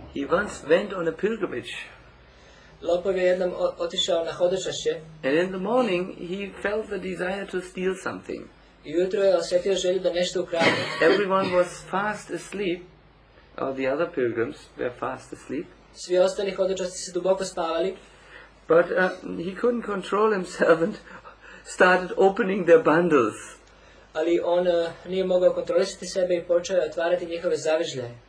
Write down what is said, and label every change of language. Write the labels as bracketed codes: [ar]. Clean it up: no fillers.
[en] He once went on a pilgrimage. [bs] Lopov je jednom otišao na hodočašće. [en] And in the morning he felt the desire to steal something. [bs] I ujutro je osjetio želju da nešto ukrade. [en] Everyone was fast asleep, or the other pilgrims were fast asleep. [bs] Svi ostali hodočasci se duboko spavali. [en] But he couldn't control himself and started opening their bundles. [bs] Ali on nije mogao kontrolisati sebe i počeo je otvarati njihove zavežlje.